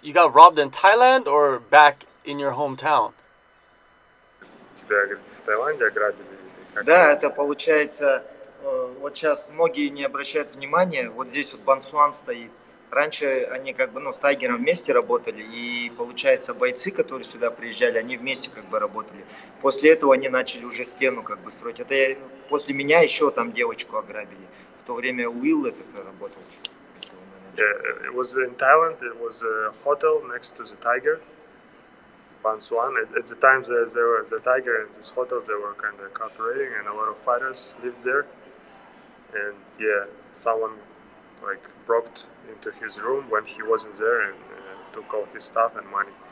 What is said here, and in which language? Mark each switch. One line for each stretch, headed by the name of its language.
English: You got robbed in Thailand or back in your hometown?
Russian: Тебя, говорит, в Таиланде ограбили. Да, это получается, вот сейчас многие не обращают внимания, вот здесь вот Бансуан стоит. Раньше они как бы, с Тайгером вместе работали, и получается бойцы, которые сюда приезжали, они вместе как бы работали. После этого они начали уже стену как бы строить. Это я, после меня еще там девочку ограбили. В то время Уилл это работал.
English: It was in Thailand. It was a hotel next to the Tiger. Bansuan. At the time, there were the Tiger and this hotel. They were kind of cooperating, and a lot of fighters lived there. And yeah, someone like broke into his room when he wasn't there and took all his stuff and money.